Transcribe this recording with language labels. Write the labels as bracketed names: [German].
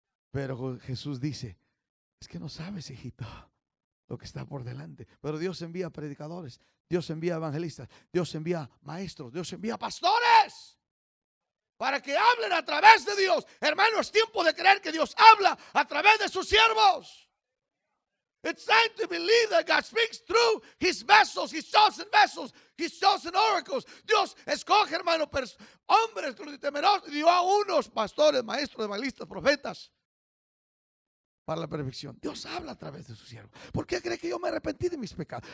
[Spanish] Pero Jesús dice, es que no sabes, hijito, lo que está por delante. Pero Dios envía predicadores, Dios envía evangelistas, Dios envía maestros, Dios envía pastores para que hablen a través de Dios. Hermano, es tiempo de creer que Dios habla a través de sus siervos. [English] It's time to believe that God speaks through his vessels, his chosen vessels, his chosen oracles. [Spanish] Dios escoge, hermano, hombres temerosos, dio a unos pastores, maestros, evangelistas, profetas para la perfección. Dios habla a través de su siervo. ¿Por qué cree que yo me arrepentí de mis pecados?